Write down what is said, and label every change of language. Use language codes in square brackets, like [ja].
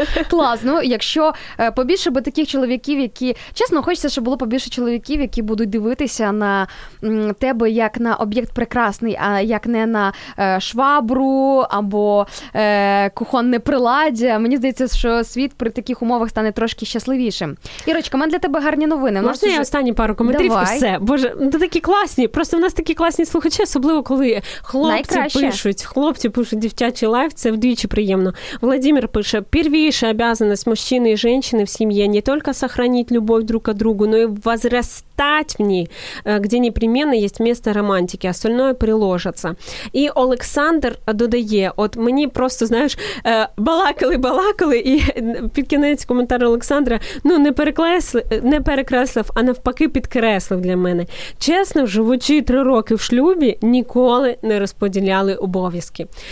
[uk] Клас, ну, якщо побільше би таких чоловіків, які, чесно, хочеться, щоб було побільше чоловіків, які будуть дивитися на тебе як на об'єкт прекрасний, а як не на швабру або кухонне приладдя. Мені здається, що світ при таких умовах стане трошки щасливішим. Ірочка, у мене для тебе гарні новини. Можна я останні пару коментарів? Давай. Все. Боже, ну, такі класні. Просто в нас такі класні слухачі, особливо, коли хлопці пишуть дівчачі лайф, це вдвічі приємно. [ru] Владимир [uk] пише, [ru] первіша обязанность мужчины и женщины в семье не только сохранить любовь друг к другу, но и возрастать в ней, где непременно есть место романтики, остальное приложится. [uk] И Олександр додає, от мені просто, знаєш, балакали, і під кінець коментар Олександра, ну, не перекреслив, а навпаки підкреслив для мене. Чесно, живучи 3 роки в шлюбі, ніколи не розподіляли обов'язки.